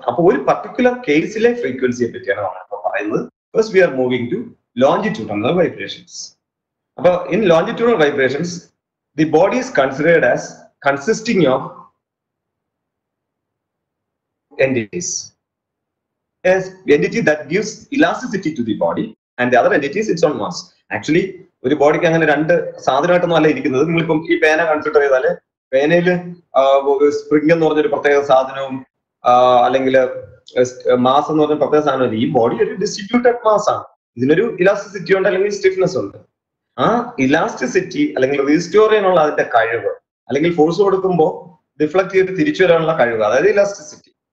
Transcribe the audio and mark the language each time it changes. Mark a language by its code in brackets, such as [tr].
[ml] അപ്പൊ ഒരു പർട്ടിക്കുലർ കേസിലെ ഫ്രീക്വൻസിയെ പറ്റിയാണ് നമ്മൾ ഇപ്പൊ പറയുന്നത്. [en] First we are moving to longitudinal vibrations. അപ്പൊ in longitudinal vibrations the body is considered as consisting of entities. Yes, entity that gives elasticity to the body and the other entity is its own mass. [ml] Actually, ഒരു ബോഡിക്ക് അങ്ങനെ രണ്ട് സാധനമായിട്ടൊന്നും അല്ല ഇരിക്കുന്നത്. നിങ്ങളിപ്പം ഈ പേന കൺസിഡർ ചെയ്താല് പേനയില് സ്പ്രിംഗ് എന്ന് പറഞ്ഞൊരു പ്രത്യേക സാധനവും അല്ലെങ്കിൽ മാസ് എന്ന് പറഞ്ഞ പ്രത്യേക സാധനവും, ഈ ബോഡി ഒരു ഡിസ്ട്രിബ്യൂട്ടഡ് മാസ് ആണ്. ഇതിനൊരു ഇലാസ്റ്റിസിറ്റി ഉണ്ട് അല്ലെങ്കിൽ സ്റ്റിഫ്നെസ് ഉണ്ട്. ആ ഇലാസ്റ്റിസിറ്റി അല്ലെങ്കിൽ റീസ്റ്റോർ ചെയ്യാനുള്ള അതിന്റെ കഴിവ് അല്ലെങ്കിൽ ഫോഴ്സ് കൊടുക്കുമ്പോൾ ഡിഫ്ലക്ട് ചെയ്ത് തിരിച്ചു വരാനുള്ള കഴിവ്, അതായത് ഇലാസ്റ്റിസിറ്റി.